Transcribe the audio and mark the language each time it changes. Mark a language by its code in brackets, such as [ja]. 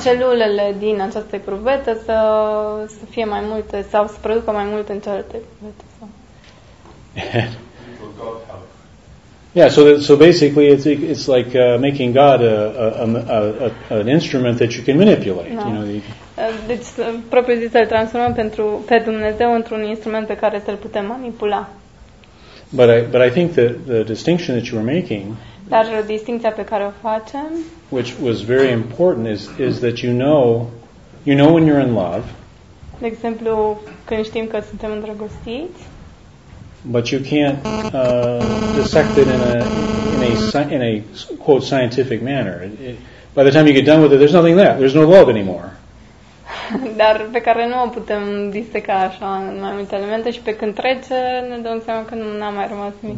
[ro] celulele din această provetă să fie mai multe sau să producă mai multe în celelalte provete. [en] Yeah, so basically it's like making God an instrument that you can manipulate, no. You know. [ro] Deci propriu zis să-l transformăm pe Dumnezeu într-un instrument pe care să-l putem manipula. [en] But I think that the distinction that you were making, [ro] dar distinția pe care o facem, [en] which was very important, is that you know when you're in love. [ro] De exemplu, când știm că suntem îndrăgostiți. [en] But you can't dissect it in a quote scientific manner. By the time you get done with it, there's nothing left. There's no love anymore. [ro] Dar pe care nu o putem disteca așa în mai multe elemente și pe când trece ne dăm seama că nu n-a mai rămas nimic.